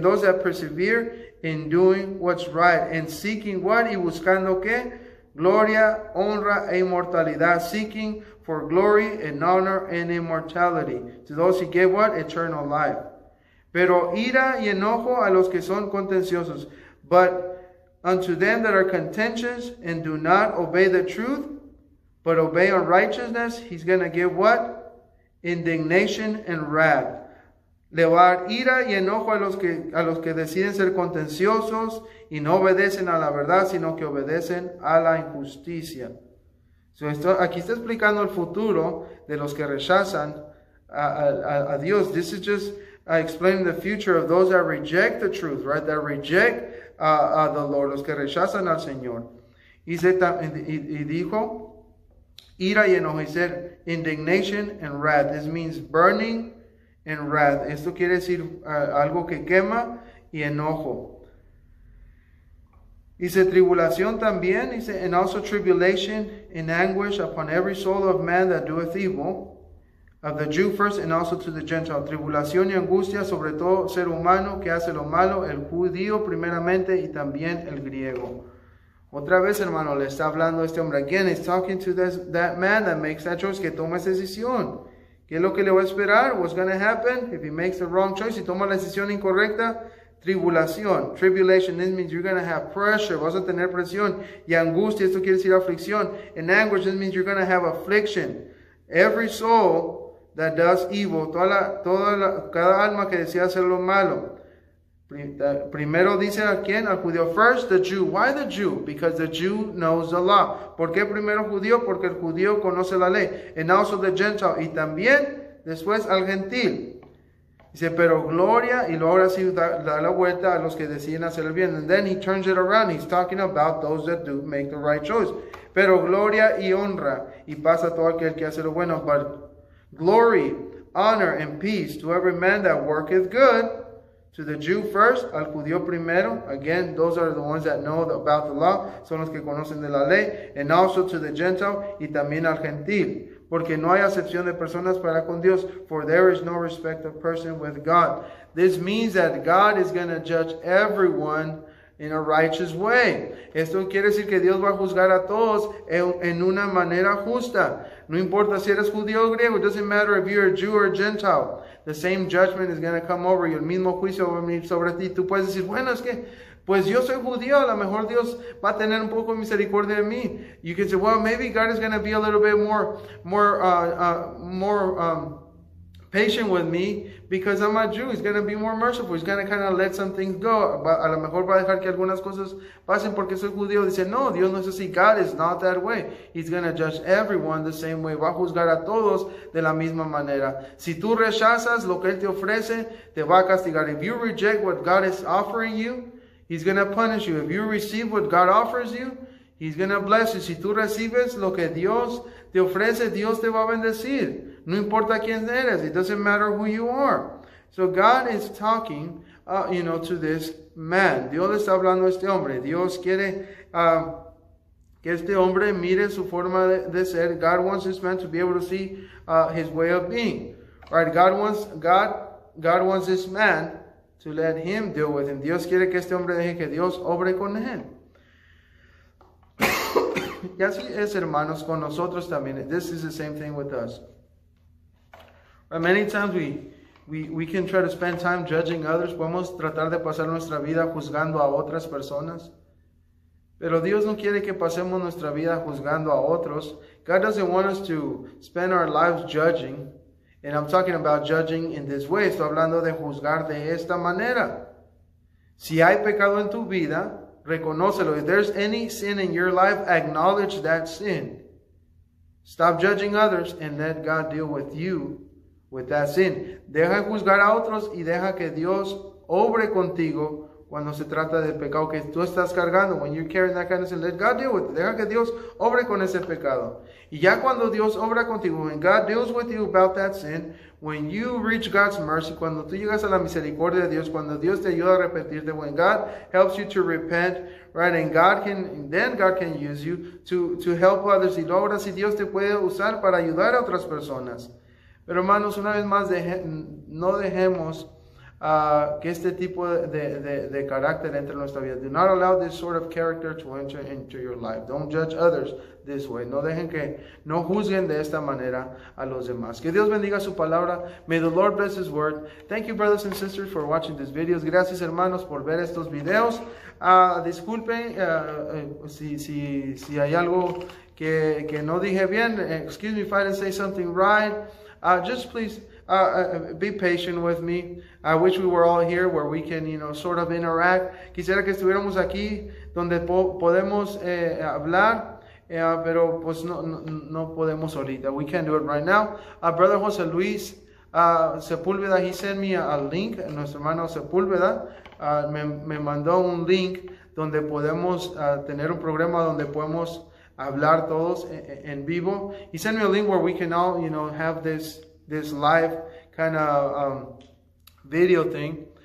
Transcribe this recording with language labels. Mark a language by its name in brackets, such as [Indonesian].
[English] Those that persevere in doing what's right. And seeking what? [Spanish] Y buscando qué? Gloria, honra e inmortalidad. [English] Seeking for glory and honor and immortality. To those he gave what? Eternal life. [Spanish] Pero ira y enojo a los que son contenciosos. [English] But unto them that are contentious and do not obey the truth, but obey unrighteousness, he's going to give what? indignation and wrath. [Spanish] Le va a dar ira y enojo a los que deciden ser contenciosos y no obedecen a la verdad, sino que obedecen a la injusticia. [English] So [Spanish] esto, aquí está explicando el futuro de los que rechazan a Dios. [English] This is just explaining the future of those that reject the truth, right? That reject the Lord, [Spanish] los que rechazan al Señor. Y dijo, ira y enojo, y [English] said, indignation and wrath. This means burning and wrath. [Spanish] Esto quiere decir algo que quema y enojo. Dice tribulación también, dice, [English] and also tribulation and anguish upon every soul of man that doeth evil, of the Jew first and also to the Gentile. [Spanish] Tribulación y angustia sobre todo ser humano que hace lo malo, el judío primeramente y también el griego. Otra vez, hermano, le está hablando este hombre. [English] Again, he's talking to this, that man that makes that choice, [Spanish] que toma esa decisión. ¿Qué es lo que le va a esperar? [English] What's going to happen if he makes the wrong choice? [Spanish] Si toma la decisión incorrecta, tribulación. [English] Tribulation, this means you're going to have pressure. [Spanish] Vas a tener presión. Y angustia, esto quiere decir aflicción. [English] And anguish, this means you're going to have affliction. Every soul that does evil, [Spanish] cada alma que decide hacer lo malo. Primero dice a quién, al judío. [English] First, the Jew. Why the Jew? Because the Jew knows the law. [Spanish] ¿Por qué primero judío? Porque el judío conoce la ley. [English] And also the Gentile. [Spanish] Y también después al gentil. Dice, pero gloria, y luego ahora sí da la vuelta a los que deciden hacer el bien. [English] And then he turns it around. He's talking about those that do make the right choice. [Spanish] Pero gloria y honra, y pasa todo aquel que hace lo bueno. [English] But glory, honor, and peace to every man that worketh good. To the Jew first, [Spanish] al judío primero. [English] Again, those are the ones that know about the law. [Spanish] Son los que conocen de la ley. [English] And also to the Gentile, [Spanish] y también al gentil. Porque no hay acepción de personas para con Dios. [English] For there is no respect of person with God. This means that God is going to judge everyone in a righteous way. [Spanish] Esto quiere decir que Dios va a juzgar a todos en una manera justa. No importa si eres judío o griego. [English] It doesn't matter if you're a Jew or a Gentile. The same judgment is going to come over you. [Spanish] El mismo juicio va a venir sobre ti. Tú puedes decir, bueno, es que, pues yo soy judío. A lo mejor Dios va a tener un poco de misericordia de mí. [English] You can say, well, maybe God is going to be a little bit more patient with me because I'm a Jew. He's going to be more merciful. He's going to kind of let some things go. [Spanish] A lo mejor va a dejar que algunas cosas pasen porque soy judío. Dice, no, Dios no es así. [English] God is not that way. He's going to judge everyone the same way. [Spanish] Va a juzgar a todos de la misma manera. Si tú rechazas lo que Él te ofrece, te va a castigar. [English] If you reject what God is offering you, He's going to punish you. If you receive what God offers you, He's going to bless you. [Spanish] Si tú recibes lo que Dios te ofrece, Dios te va a bendecir. No importa quién eres. [English] It doesn't matter who you are. So God is talking, you know, to this man. [Spanish] Dios le está hablando a este hombre. Dios quiere que este hombre mire su forma de ser. [English] God wants this man to be able to see his way of being. Right? God wants this man to let him deal with him. [Spanish] Dios quiere que este hombre deje que Dios obre con él. Y así es, hermanos, con nosotros también. [English] This is the same thing with us. But many times we can try to spend time judging others. [Spanish] Podemos tratar de pasar nuestra vida juzgando a otras personas. Pero Dios no quiere que pasemos nuestra vida juzgando a otros. [English] God doesn't want us to spend our lives judging. And I'm talking about judging in this way. [Spanish] Estoy hablando de juzgar de esta manera. Si hay pecado en tu vida, reconócelo. [English] If there's any sin in your life, acknowledge that sin. Stop judging others and let God deal with you with that sin. [Spanish] Deja de juzgar a otros y deja que Dios obre contigo cuando se trata del pecado que tú estás cargando. [English] When you're carrying that kind of sin, let God deal with it. [Spanish] Deja que Dios obre con ese pecado. Y ya cuando Dios obra contigo, [English] when God deals with you about that sin, when you reach God's mercy, [Spanish] cuando tú llegas a la misericordia de Dios, cuando Dios te ayuda a arrepentirte, [English] when God helps you to repent, right, and then God can use you to help others. [Spanish] Y ahora sí Dios te puede usar para ayudar a otras personas. Pero hermanos, una vez más, no dejemos que este tipo de carácter entre en nuestra vida. [English] Do not allow this sort of character to enter into your life. Don't judge others this way. [Spanish] No juzguen de esta manera a los demás. Que Dios bendiga su palabra. [English] May the Lord bless his word. Thank you, brothers and sisters, for watching these videos. [Spanish] Gracias, hermanos, por ver estos videos. Disculpen si hay algo que no dije bien. [English] Excuse me if I didn't say something right. Just please be patient with me. I wish we were all here where we can, you know, sort of interact. [Spanish] Quisiera que estuviéramos aquí donde podemos hablar, pero pues no podemos ahorita. [English] We can't do it right now. Brother Jose Luis Sepúlveda, he sent me a link. [Spanish] Nuestro hermano Sepúlveda me mandó un link donde podemos tener un programa donde podemos hablar todos en vivo. [English] He sent me a link where we can all, you know, have this live kind of video thing.